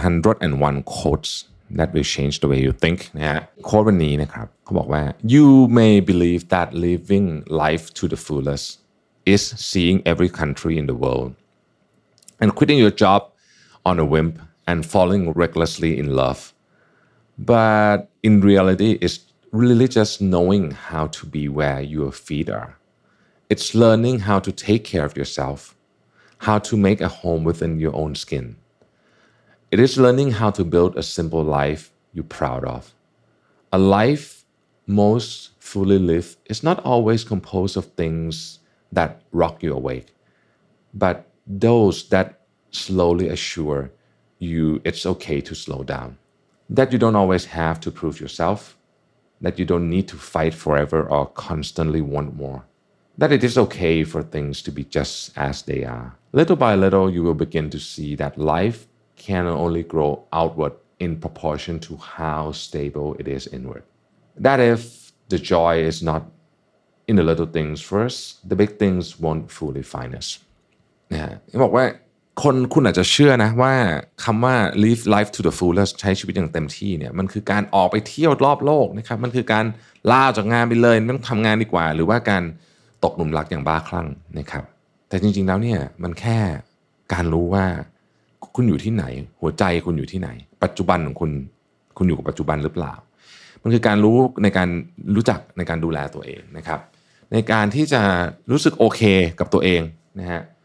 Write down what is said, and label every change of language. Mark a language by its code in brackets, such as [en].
[en] 101 quotes that will change the way you think [th] นะฮะโค้ดวันนี้นะครับเขาบอกว่า [en] you may believe that living life to the fullest is seeing every country in the world and quitting your job on a whimand falling recklessly in love. But in reality, it's really just knowing how to be where your feet are. It's learning how to take care of yourself, how to make a home within your own skin. It is learning how to build a simple life you're proud of. A life most fully lived is not always composed of things that rock you awake, but those that slowly assureyou it's okay to slow down that you don't always have to prove yourself that you don't need to fight forever or constantly want more that it is okay for things to be just as they are little by little you will begin to see that life can only grow outward in proportion to how stable it is inward that if the joy is not in the little things first the big things won't fully find us [th] yeah what wayคนคุณอาจจะเชื่อนะว่าคำว่า [en] live life to the fullest [th] ใช้ชีวิตอย่างเต็มที่เนี่ยมันคือการออกไปเที่ยวรอบโลกนะครับมันคือการลาออกจากงานไปเลยไม่ต้องทำงานดีกว่าหรือว่าการตกหลุมรักอย่างบ้าคลั่งนะครับแต่จริงๆแล้วเนี่ยมันแค่การรู้ว่าคุณอยู่ที่ไหนหัวใจคุณอยู่ที่ไหนปัจจุบันของคุณอยู่กับปัจจุบันหรือเปล่ามันคือการรู้ในการรู้จักในการดูแลตัวเองนะครับในการที่จะรู้สึกโอเคกับตัวเองนะฮะ